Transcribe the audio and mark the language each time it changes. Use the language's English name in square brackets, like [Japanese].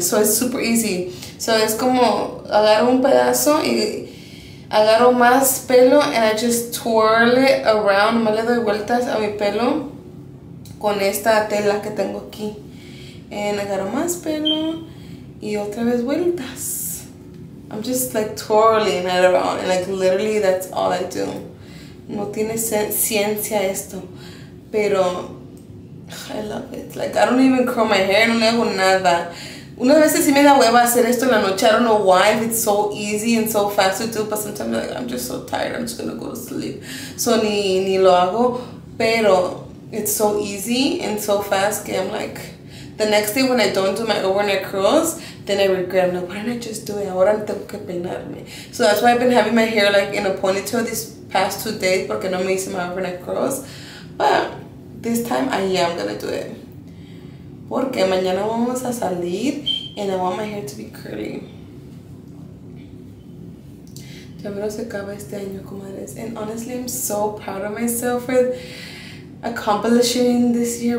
[English] So it's super easy. So [Spanish] es como agarro un pedazo y agarro más pelo [English] and I just twirl it around. [Spanish] Me le doy vueltas a mi pelo con esta tela que tengo aquí. And agarro más pelo y otra vez vueltas. [English] I'm just like twirling it around and like literally that's all I do. [Spanish] No tiene ciencia esto, pero [English] I love it. Like I don't even curl my hair, [Spanish] no le hago nada. Unas veces sí me da hueva hacer esto en la noche. [English] I don't know why, it's so easy and so fast to do, but sometimes like, I'm just so tired, I'm just gonna go to sleep. So [Spanish] ni lo hago, pero [English] it's so easy and so fast que I'm like, the next day when I don't do my overnight curls, then I regret, I'm like, why didn't I just do it? [Spanish] Ahora tengo que peinarme. [English] So that's why I've been having my hair like in a ponytail these past 2 days, [Spanish] porque no me hice [English] my overnight curls. But this time, I'm gonna do it. [Spanish] Porque mañana vamos a salir [English] and I want my hair to be curly. [Spanish] Ya me lo se acaba este año, comadres. [English] And honestly, I'm so proud of myself for accomplishing this year.